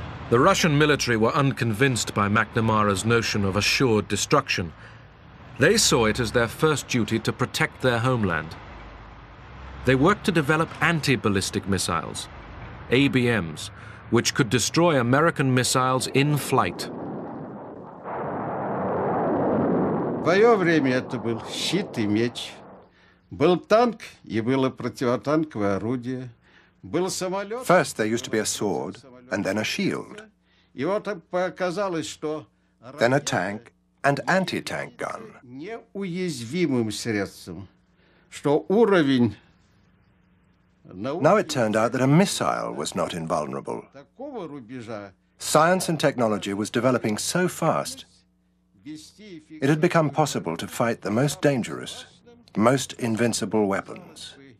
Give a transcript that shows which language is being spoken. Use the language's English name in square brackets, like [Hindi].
[English] The Russian military were unconvinced by McNamara's notion of assured destruction. They saw it as their first duty to protect their homeland. They worked to develop anti-ballistic missiles, ABMs, which could destroy American missiles in flight. [Russian] В моё время это был щит и меч, был танк и было противотанковое орудие, был самолёт. [English] First there used to be a sword and then a shield. [Russian] И вот показалось, что [English] then a tank and anti-tank gun. [Russian] Неуязвимым средством, что уровень. [English] Now it turned out that a missile was not invulnerable. Science and technology was developing so fast, it had become possible to fight the most dangerous, most invincible weapons.